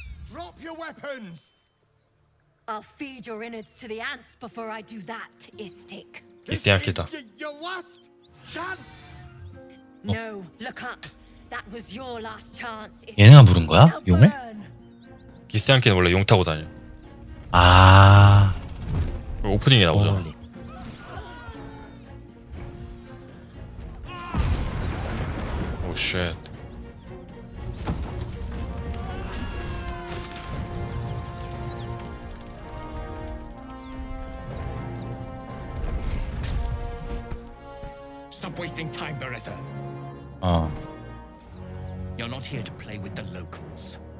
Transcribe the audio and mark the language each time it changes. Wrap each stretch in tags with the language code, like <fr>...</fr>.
<en>Drop your weapons! I'll feed your innards to the ants before I do that, Istik. This is your last chance! No, look up. That was your last chance, Istik.</en> <ko>얘네가 부른 거야? 용을? 기스양키는 원래 용 타고 다녀. 아 오프닝에 나오죠. 오 쉣. 스톱 웨이스팅 타임 베레타. 어 You're not here to play with the locals.</ko>